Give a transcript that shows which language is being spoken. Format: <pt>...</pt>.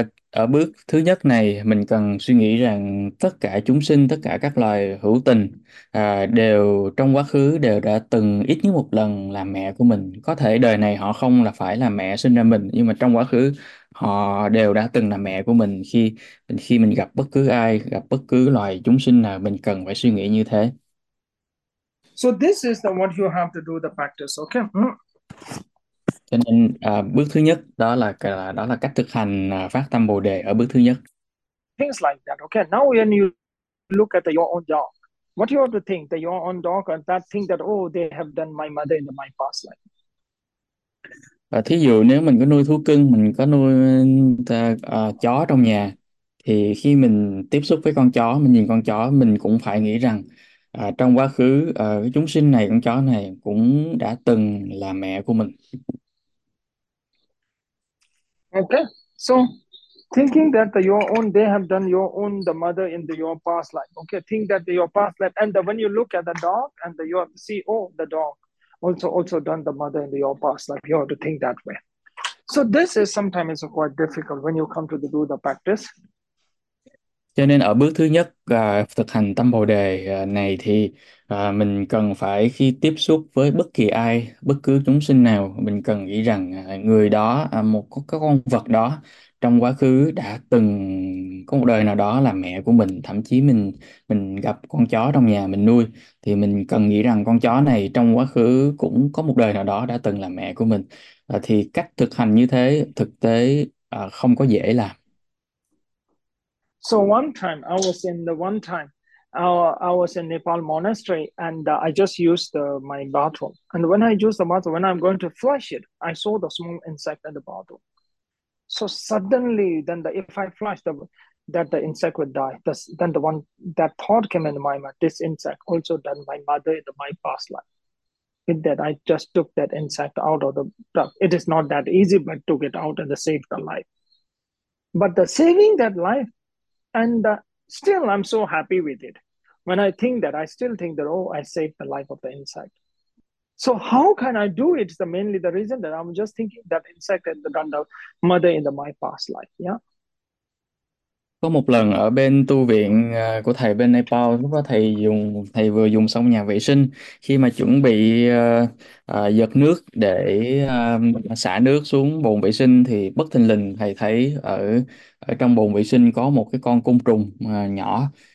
<vi>Ở bước thứ nhất này, mình cần suy nghĩ rằng tất cả chúng sinh, tất cả các loài hữu tình đều trong quá khứ đều đã từng ít nhất một lần là mẹ của mình. Có thể đời này họ không là phải là mẹ sinh ra mình, nhưng mà trong quá khứ họ đều đã từng là mẹ của mình, khi mình gặp bất cứ ai, gặp bất cứ loài chúng sinh nào, mình cần phải suy nghĩ như thế.</vi> <en>So this is the what you have to do the practice, okay?</en> <vi>Cho nên bước thứ nhất đó là cách thực hành phát tâm Bồ đề ở bước thứ nhất.</vi> <en>Things like that, okay? Now when you look at your own dog, what you have to think that your own dog and that thing that oh they have done my mother in my past life.</en> <vi>Thí dụ nếu mình có nuôi thú cưng, mình có nuôi chó trong nhà, thì khi mình tiếp xúc với con chó, mình nhìn con chó, mình cũng phải nghĩ rằng trong quá khứ cái chúng sinh này, con chó này cũng đã từng là mẹ của mình.</vi> <en>Okay, so thinking that your own they have done your own the mother in your past life. Okay, think that your past life and when you look at the dog and you see oh the dog also done the mother in your past life. You have to think that way. So this is sometimes quite difficult when you come to the, do the practice.</en> <vi>Cho nên ở bước thứ nhất thực hành tâm Bồ đề này thì mình cần phải, khi tiếp xúc với bất kỳ ai, bất cứ chúng sinh nào, mình cần nghĩ rằng người đó, một cái con vật đó trong quá khứ đã từng có một đời nào đó là mẹ của mình. Thậm chí mình gặp con chó trong nhà mình nuôi, thì mình cần nghĩ rằng con chó này trong quá khứ cũng có một đời nào đó đã từng là mẹ của mình. Thì cách thực hành như thế thực tế không có dễ làm.</vi> <en>So one time I was in the one time I was in Nepal monastery and I just used my bottle and when I used the bottle when I'm going to flush it I saw the small insect in the bottle. So suddenly then the if I flush that the insect would die. Then the one that thought came into my mind this insect also done my mother in my past life. With that I just took that insect out of the tub. It is not that easy but took it out and saved the life. But the saving that life. And still, I'm so happy with it. When I think that, I still think that, oh, I saved the life of the insect. So how can I do it? It's the mainly the reason that I'm just thinking that insect and the mother in the my past life. Yeah.</en> <vi>Có một lần ở bên tu viện của thầy bên Nepal, lúc đó thầy vừa dùng xong nhà vệ sinh, khi mà chuẩn bị giật nước để xả nước xuống bồn vệ sinh, thì bất thình lình thầy thấy ở ở trong bồn vệ sinh có một cái con côn trùng nhỏ.</vi>